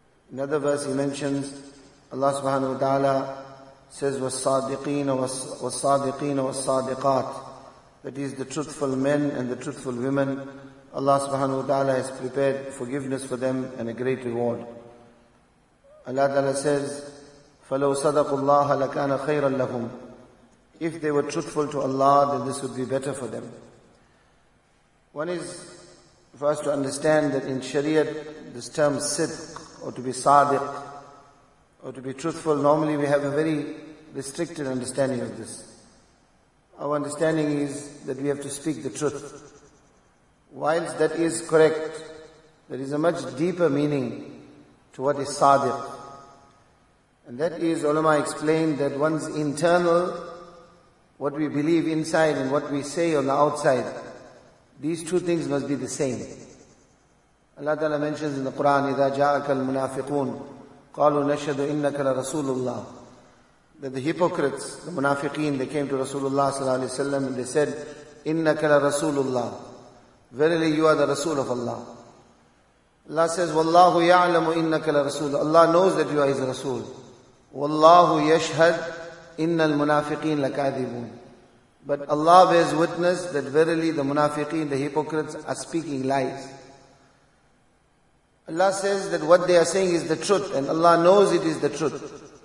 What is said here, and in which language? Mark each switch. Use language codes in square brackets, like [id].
[en] Another verse he mentions, Allah subhanahu wa ta'ala says, was sadiqeen was sadiqat, that is the truthful men and the truthful women. Allah subhanahu wa ta'ala has prepared forgiveness for them and a great reward. Allah Ta'ala says, [ar] فَلَوْ صَدَقُوا اللَّهَ لَكَانَ خَيْرًا لَهُمْ. [en] If they were truthful to Allah, then this would be better for them. One is for us to understand that in Shariat, this term sidq, or to be sadiq, or to be truthful, normally we have a very restricted understanding of this. Our understanding is that we have to speak the truth. Whilst that is correct, there is a much deeper meaning to what is sadiq. And that is, ulama explained, that one's internal, what we believe inside and what we say on the outside, these two things must be the same. Allah Ta'ala mentions in the Quran, [ar] إِذَا جَاءَكَ الْمُنَافِقُونَ قَالُوا نَشْهَدُ إِنَّكَ لَرَسُولُ اللَّهِ. [en] That the hypocrites, the munafiqeen, they came to Rasulullah sallallahu alaihi wasallam and they said, [ar] إِنَّكَ لَرَسُولُ اللَّهِ. [en] Verily you are the Rasul of Allah. [ar] Allah says, وَاللَّهُ يَعْلَمُ إِنَّكَ لَرَسُولُ. [en] Allah knows that you are His Rasul. [ar] وَاللَّهُ يَشْهَدْ إِنَّ الْمُنَافِقِينَ لَكَاذِبُونَ. [en] But Allah bears witness that verily the munafiqeen, the hypocrites, are speaking lies. Allah says that what they are saying is the truth, and Allah knows it is the truth.